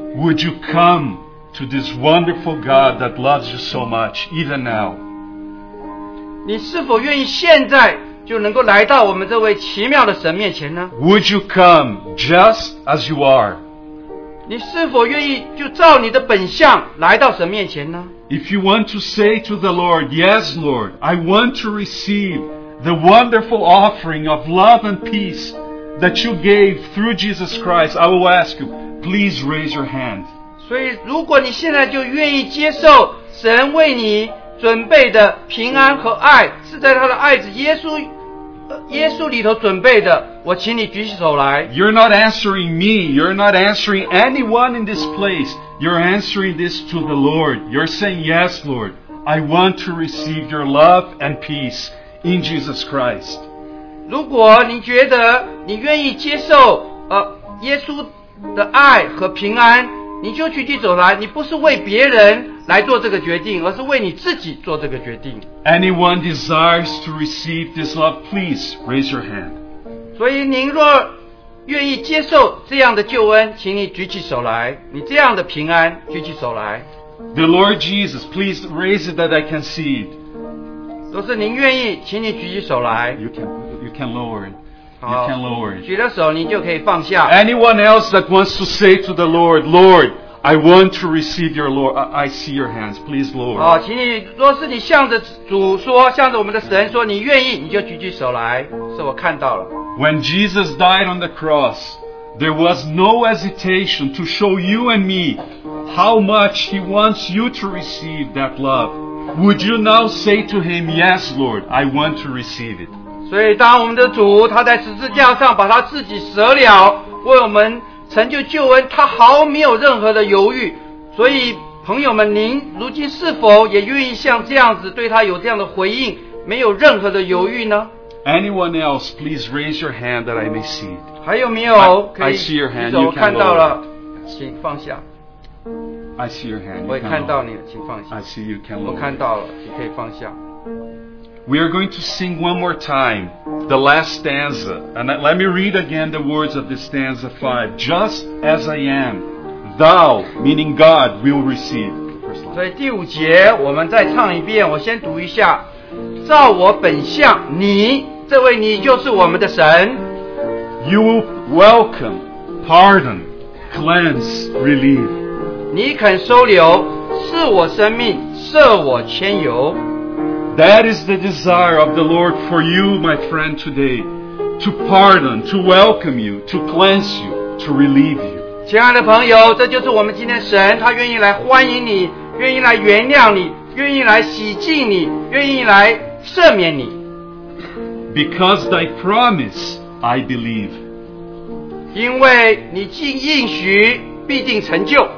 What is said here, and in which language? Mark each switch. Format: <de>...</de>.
<en>Would you come to this wonderful God that loves you so much, even now?</en> <zh>你是否愿意现在就能够来到我们这位奇妙的神面前呢？</zh> <en>Would you come just as you are?</en> <zh>你是否愿意就照你的本相来到神面前呢？</zh> <en>If you want to say to the Lord, Yes, Lord, I want to receive the wonderful offering of love and peace that you gave through Jesus Christ, I will ask you, please raise your hand.</en> <zh>所以如果你现在就愿意接受神为你准备的平安和爱，是在他的爱子耶稣里头准备的，我请你举起手来。</zh> <en>You're not answering me, you're not answering anyone in this place, you're answering this to the Lord. You're saying, Yes, Lord, I want to receive your love and peace in Jesus Christ.</en> <zh>如果你觉得你愿意接受耶稣的爱和平安，你就举起手来，你不是为别人来做这个决定，而是为你自己做这个决定。</zh> <en>Anyone desires to receive this love, please raise your hand.</en> <zh>所以您若愿意接受这样的救恩，请你举起手来，你这样的平安，举起手来。</zh> <en>The Lord Jesus, please raise it that I can see it.</en> <zh>若是您愿意，请你举起手来。</zh> <en>You can lower it. You can lower it.</en> <zh>举了手你就可以放下。</zh> <en>Anyone else that wants to say to the Lord, Lord, I want to receive your Lord, I see your hands, please lower.</en> <zh>好，请你若是你向着主说，向着我们的神说，你愿意，你就举举手来，是我看到了。</zh> <en>When Jesus died on the cross, there was no hesitation to show you and me how much he wants you to receive that love. Would you now say to him, Yes, Lord, I want to receive it?</en> <zh>所以当我们的主他在十字架上把他自己舍了为我们成就救恩，他毫没有任何的犹豫。所以朋友们，您如今是否也愿意像这样子对他有这样的回应，没有任何的犹豫呢？</zh> <en>Anyone else, please raise your hand that I may see it.</en> <zh>还有没有可以？</zh> <en>I see your hand, you can</en> <zh>我看到了，请放下。</zh> <en>I see your hand,</en> <zh>我也看到你了，请放下。</zh> <en>I see you can lower.</en> <zh>我看到了，你可以放下。</zh> <en>We are going to sing one more time, the last stanza. And let me read again the words of this stanza 5. Just as I am, thou, meaning God, will receive.</en> <zh>所以第五节我们再唱一遍，我先读一下。照我本相，你，这位你就是我们的神。</zh> <en>You will welcome, pardon, cleanse, relieve.</en> <zh>你肯收留，赐我生命，赦我牵由。</zh> <en>That is the desire of the Lord for you, my friend, today. To pardon, to welcome you, to cleanse you, to relieve you.</en> <zh>亲爱的朋友，这就是我们今天神，他愿意来欢迎你，愿意来原谅你，愿意来洗净你，愿意来赦免你。</zh> <en>Because thy promise, I believe.</en> <zh>因为你既应许，必定成就。</zh>